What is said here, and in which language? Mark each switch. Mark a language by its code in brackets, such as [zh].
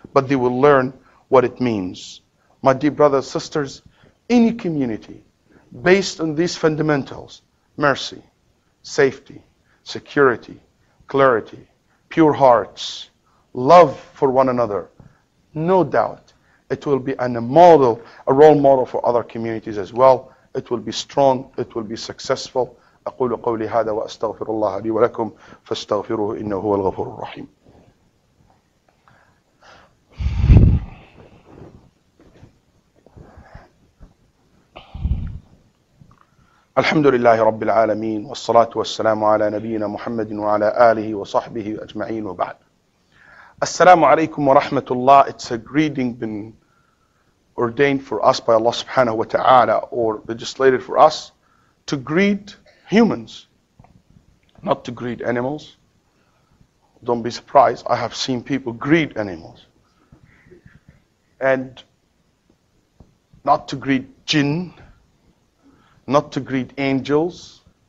[en] But they will learn what it means. My dear brothers, sisters, any community based on these fundamentals, mercy, safety, security, clarity, pure hearts, love for one another, no doubt it will be an, a model, a role model for other communities as well. It will be strong, it will be successful. [ar] أقول قولي هذا وأستغفر الله لي ولكم فاستغفروه إنه هو الغفور الرحيم. الحمد لله رب العالمين والصلاة والسلام على نبينا محمد وعلى آله وصحبه أجمعين وبعد. السلام عليكم ورحمة الله. [en] It's a greeting been ordained for us by Allah subhanahu wa ta'ala, or legislated for us to greet humans, not to greet animals. Don't be surprised, I have seen people greet animals, and not to greet jinn, not to greet angels.